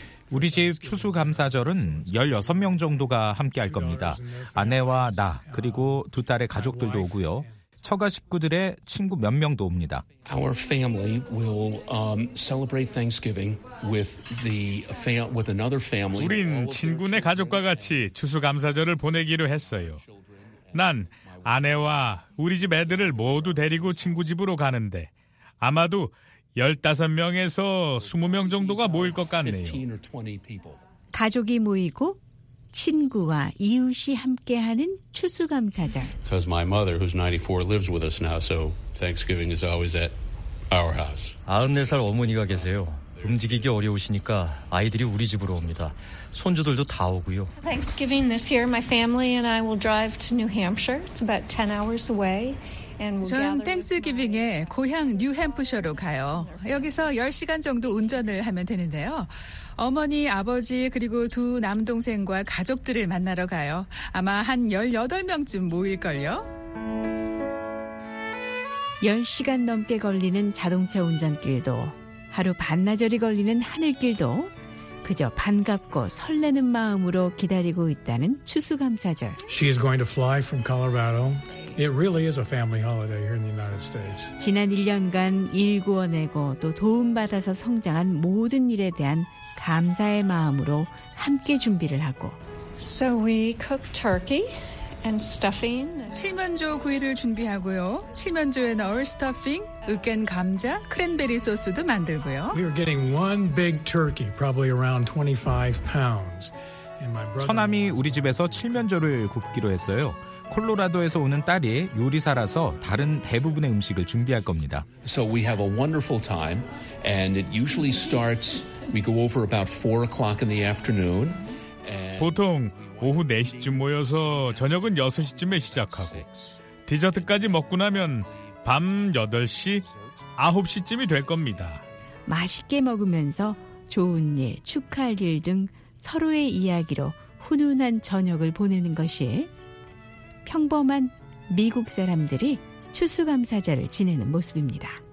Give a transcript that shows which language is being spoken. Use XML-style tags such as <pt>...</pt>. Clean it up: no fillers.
<ko>우리 집 추수감사절은 16명 정도가 함께할 겁니다. 아내와 나, 그리고 두 딸의 가족들도 오고요. 처가 식구들의 친구 몇 명도 옵니다.</ko> <en>Our family will celebrate Thanksgiving with with another family.</en> <ko>우린 친구네 가족과 같이 추수감사절을 보내기로 했어요. 난 아내와 우리 집 애들을 모두 데리고 친구 집으로 가는데 아마도 15명에서 20명 정도가 모일 것 같네요. 가족이 모이고 친구와 이웃이 함께하는 추수감사절.</ko> <en>Because my mother, who's 94, lives with us now, so Thanksgiving is always at our house.</en> <ko>94살 어머니가 계세요. 움직이기 어려우시니까 아이들이 우리 집으로 옵니다. 손주들도 다 오고요.</ko> <en>Thanksgiving this year, my family and I will drive to New Hampshire. It's about 10 hours away.</en> <ko>전 땡스기빙에 고향 뉴햄프셔로 가요. 여기서 10시간 정도 운전을 하면 되는데요. 어머니, 아버지, 그리고 두 남동생과 가족들을 만나러 가요. 아마 한 18명쯤 모일걸요. 10시간 넘게 걸리는 자동차 운전길도 하루 반나절이 걸리는 하늘길도 그저 반갑고 설레는 마음으로 기다리고 있다는 추수감사절.</ko> <en>She is going to fly from Colorado. It really is a family holiday here in the United States.</en> <ko>지난 1년간 일 구워내고 또 도움받아서 성장한 모든 일에 대한 감사의 마음으로 함께 준비를 하고.</ko> <en>So we cook turkey and stuffing.</en> <ko>칠면조 구이를 준비하고요. 칠면조에 넣을 스타핑, 으깬 감자, 크랜베리 소스도 만들고요.</ko> <en>We are getting one big turkey, probably around 25 pounds.</en> <ko>처남이 우리 집에서 칠면조를 굽기로 했어요. 콜로라도에서 오는 딸이 요리사라서 다른 대부분의 음식을 준비할 겁니다.</ko> <en>So we have a wonderful time and it usually starts we go over about 4 o'clock in the afternoon.</en> <ko>보통 오후 4시쯤 모여서 저녁은 6시쯤에 시작하고 디저트까지 먹고 나면 밤 8시 9시쯤이 될 겁니다. 맛있게 먹으면서 좋은 일, 축하할 일 등 서로의 이야기로 훈훈한 저녁을 보내는 것이 평범한 미국 사람들이 추수감사절을 지내는 모습입니다.</ko>